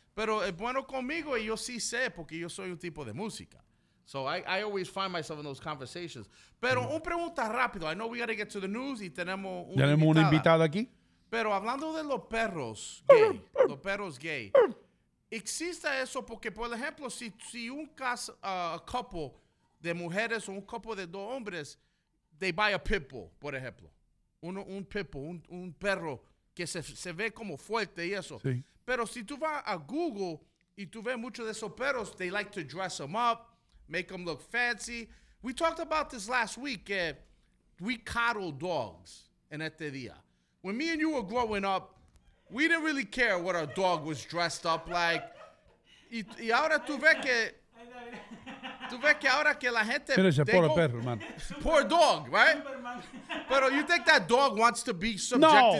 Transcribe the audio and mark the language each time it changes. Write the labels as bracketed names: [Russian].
[Spanish] Pero es bueno conmigo y yo sí sé porque yo soy un tipo de música. [English] So I always find myself in those conversations. [Spanish] Pero una pregunta rápido. [English] I know we got to get to the news [Spanish] y tenemos una invitada. ¿Tenemos un invitado aquí? Pero hablando de los perros gay, ¿existe eso? Porque, por ejemplo, si un caso, couple de mujeres o un couple de dos hombres, [English] they buy a pitbull, [Spanish] por ejemplo. Un perro que se ve como fuerte y eso. Sí. Pero si tú vas a Google y tú ves muchos de esos perros, [English] they like to dress them up, make them look fancy. We talked about this last week, que we coddle dogs [Spanish] en este día. [English] When me and you were growing up, we didn't really care what our dog was dressed up like. [Spanish] y ahora tú ves que ahora que la gente mira ese pobre perro, man. [English] Poor dog, right? Pero you think that dog wants to be subjected